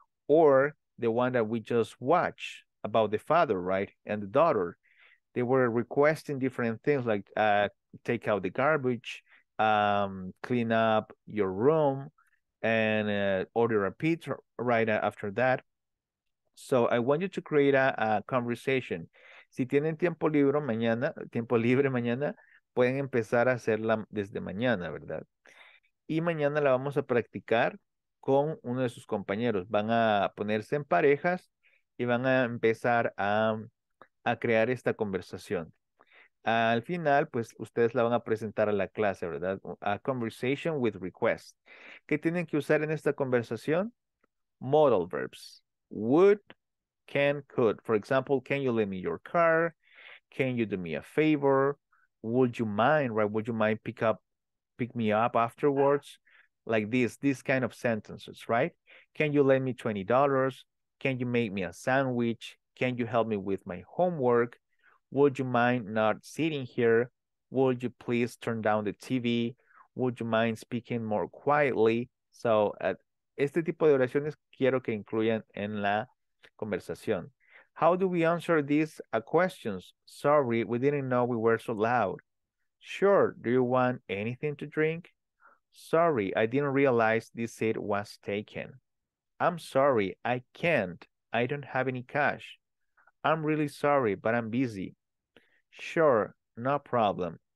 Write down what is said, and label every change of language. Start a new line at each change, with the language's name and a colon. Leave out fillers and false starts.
English: Or the one that we just watched about the father, right, and the daughter. They were requesting different things like take out the garbage, clean up your room, and order a pizza right after that. So I want you to create a conversation.
Spanish: Si tienen tiempo libre mañana, pueden empezar a hacerla desde mañana, ¿verdad? Y mañana la vamos a practicar con uno de sus compañeros. Van a ponerse en parejas y van a empezar a crear esta conversación. Al final, pues, ustedes la van a presentar a la clase, ¿verdad?
English: A conversation with request.
Spanish: ¿Qué tienen que usar en esta conversación?
English: Modal verbs. Would, can, could. For example, can you lend me your car? Can you do me a favor? Would you mind, right? Would you mind pick me up afterwards? Like this, these kind of sentences, right? Can you lend me $20? Can you make me a sandwich? Can you help me with my homework? Would you mind not sitting here? Would you please turn down the TV? Would you mind speaking more quietly?
Spanish: So este tipo de oraciones quiero que incluyan en la conversación.
English: How do we answer these questions? Sorry, we didn't know we were so loud. Sure, do you want anything to drink? Sorry, I didn't realize this seat was taken. I'm sorry, I can't. I don't have any cash. I'm really sorry, but I'm busy. Sure, no problem.